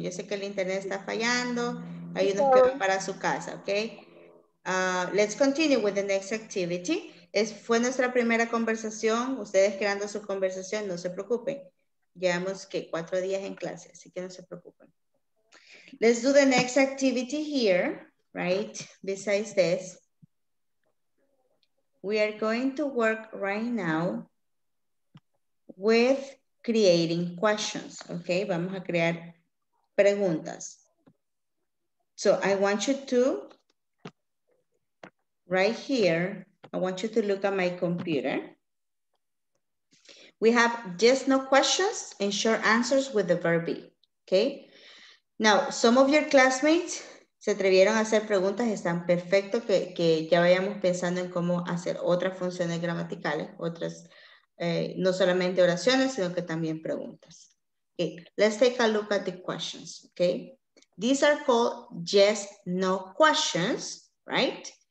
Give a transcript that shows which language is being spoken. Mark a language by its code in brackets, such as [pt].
[es] Yo sé que el internet está fallando. Hay unos que van para su casa, okay? [en] Let's continue with the next activity. [es] Fue nuestra primera conversación, ustedes creando su conversación, no se preocupen. Llevamos, ¿qué? 4 días en clase, así que no se preocupen. [en] Let's do the next activity here, right? Besides this, we are going to work right now with creating questions, okay? [es] Vamos a crear preguntas. [en] So I want you to, right here, I want you to look at my computer. We have yes, no questions and short answers with the verb be. Okay. Now, some of your classmates [es] se atrevieron a hacer preguntas. Están perfecto que ya vayamos pensando en cómo hacer otras funciones gramaticales, otras, no solamente oraciones, sino que también preguntas. [en] Okay. Let's take a look at the questions. Okay. These are called yes, no questions, right?